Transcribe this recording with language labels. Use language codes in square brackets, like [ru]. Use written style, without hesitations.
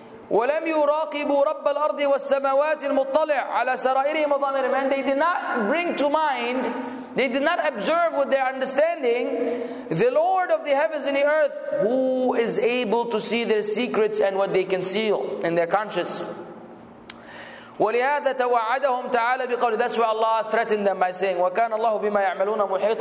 [ar] ولم يراقبوا رب الأرض والسماوات المطلع على سرائرهم وضمائرهم. [en] And they did not bring to mind, they did not observe with their understanding, the Lord of the heavens and the earth, who is able to see their secrets and what they conceal in their conscience. [ar] ولهذا توعدهم تعالى بقول. [en] That's why Allah threatened them by saying, [ar] وكان الله بما يعملون محيط.